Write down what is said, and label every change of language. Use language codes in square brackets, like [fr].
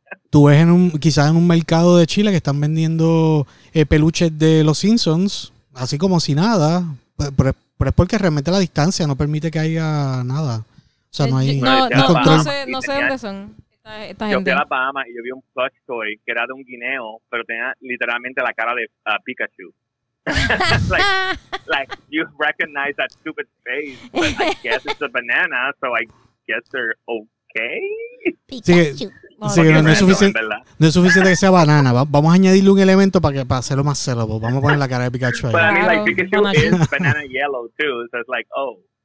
[es] Tú ves en un, quizás en un mercado de Chile que están vendiendo peluches de los Simpsons, así como si nada, pero es porque realmente la distancia no permite que haya nada. O sea, no hay, [en] no control. [es] No sé dónde son. Esta yo fui a Bahamas y yo vi un [en] plush toy [es] que era de un guineo, pero tenía literalmente la cara de Pikachu. [en] like you recognize that stupid face, but I guess it's a banana, so I guess they're okay. Pikachu. [es] Sí, no, no es suficiente que sea banana. Vamos a añadirle un elemento para hacerlo más celoso. Vamos a poner la cara de Pikachu ahí. [en] But I mean, like, Pikachu is banana yellow too, so it's like, oh.